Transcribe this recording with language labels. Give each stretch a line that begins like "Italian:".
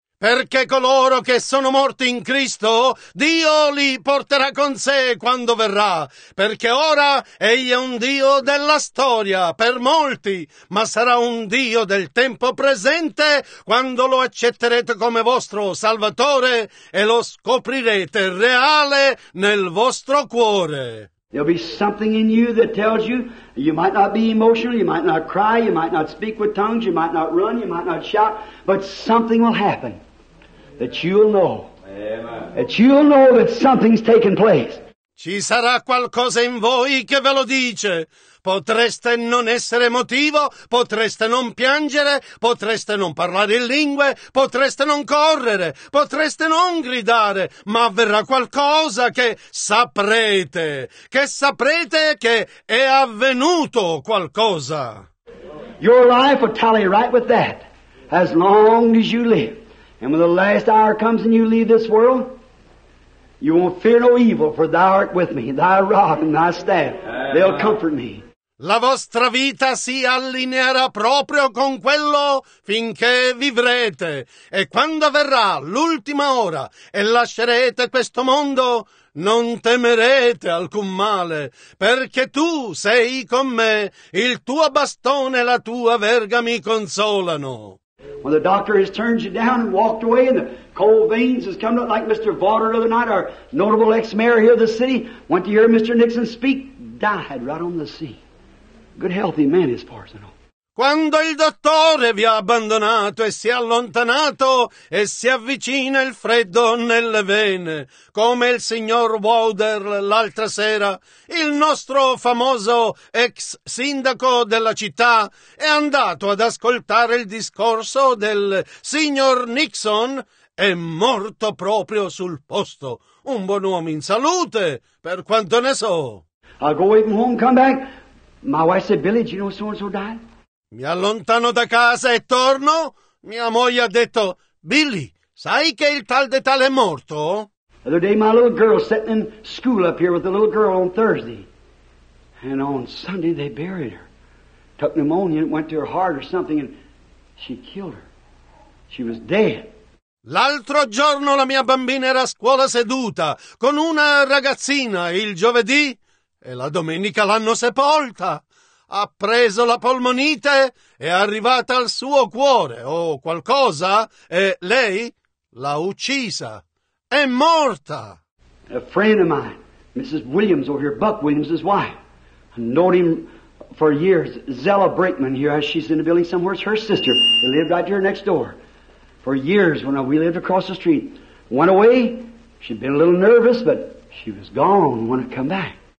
Italian: Perché coloro che sono morti in Cristo, Dio li porterà con sé quando verrà. Perché ora Egli è un Dio della storia per molti, ma sarà un Dio del tempo presente quando lo accetterete come vostro Salvatore e lo scoprirete reale nel vostro cuore.
English: There'll be something in you that tells you, you might not be emotional, you might not cry, you might not speak with tongues, you might not run, you might not shout, but something will happen that you'll know. Amen. That you'll know that something's taken place.
Italian: Ci sarà qualcosa in voi che ve lo dice. Potreste non essere emotivo, potreste non piangere, potreste non parlare in lingue, potreste non correre, potreste non gridare, ma avverrà qualcosa che saprete che è avvenuto qualcosa.
English: Your life will tally right with that, as long as you live. And when the last hour comes and you leave this world, You won't fear no evil, for thou art with me. Thy rod and thy staff, they'll comfort me.
Italian: La vostra vita si allineerà proprio con quello finché vivrete. E quando verrà l'ultima ora e lascerete questo mondo, non temerete alcun male, perché tu sei con me, il tuo bastone e la tua verga mi consolano.
English: When the doctor has turned you down and walked away and the cold veins has come up like Mr. Vauder the other night, our notable ex-mayor here of the city, went to hear Mr. Nixon speak, died right on the sea. Good healthy man is Parsonal.
Italian: Quando il dottore vi ha abbandonato e si è allontanato e si avvicina il freddo nelle vene, come il signor Wouter l'altra sera, il nostro famoso ex sindaco della città è andato ad ascoltare il discorso del signor Nixon, è morto proprio sul posto. Un buon uomo in salute, per quanto ne so.
English: I'll go even home, come back. My wife said, Billy, do you know so-and-so died?
Italian: Mi allontano da casa e torno. Mia moglie ha detto, Billy, sai che il tal de tal è morto?
English: The other day my little girl sitting in school up here with the little girl on Thursday. And on Sunday they buried her. Took pneumonia and went to her heart or something and she killed her. She was dead.
Italian: L'altro giorno la mia bambina era a scuola seduta con una ragazzina il giovedì e la domenica l'hanno sepolta. Ha preso la polmonite, è arrivata al suo cuore o qualcosa, e lei l'ha uccisa. È morta!
English: A friend of mine, Mrs. Williams over here, Buck Williams' wife, known him for years, Zella Brinkman here, as she's in the building somewhere, it's her sister, who lived right here next door. For years, when we lived across the street, went away, she'd been a little nervous, but she was gone when I come back.